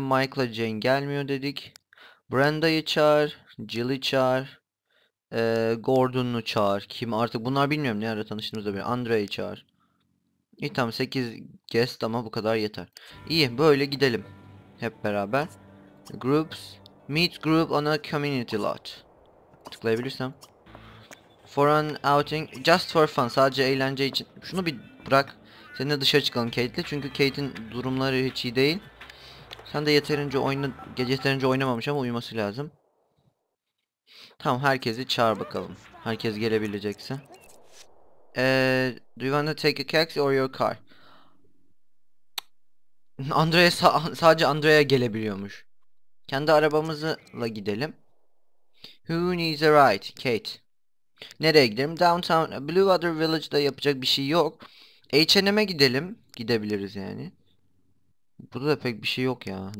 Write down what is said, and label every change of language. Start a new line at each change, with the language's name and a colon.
Turkish: Mike'la Jane gelmiyor dedik. Brenda'yı çağır. Jill'i çağır. Gordon'u çağır. Kim artık bunlar bilmiyorum, ne ara tanıştığımızda bir Andre'yi çağır. İyi tamam, 8 guest ama bu kadar yeter. İyi, böyle gidelim hep beraber.
English: Groups, meet group on a community lot.
Turkish: Tıklayabilirsem.
English: For an outing, just for fun,
Turkish: sadece eğlence için. Şunu bir bırak. Seninle dışarı çıkalım Kate'le, çünkü Kate'in durumları hiç iyi değil. Sen de yeterince oyna, gece yeterince oynamamış ama uyuması lazım. Tamam, herkesi çağır bakalım. Herkes gelebilecekse.
English: Do you want to take a taxi or your car?
Turkish: Sadece Andrea gelebiliyormuş. Kendi arabamızla gidelim.
English: Who needs a ride?
Turkish: Kate. Nereye gidelim? Downtown Bluewater Village'da yapacak bir şey yok. H&M'e gidelim. Gidebiliriz yani. Burada da pek bir şey yok ya.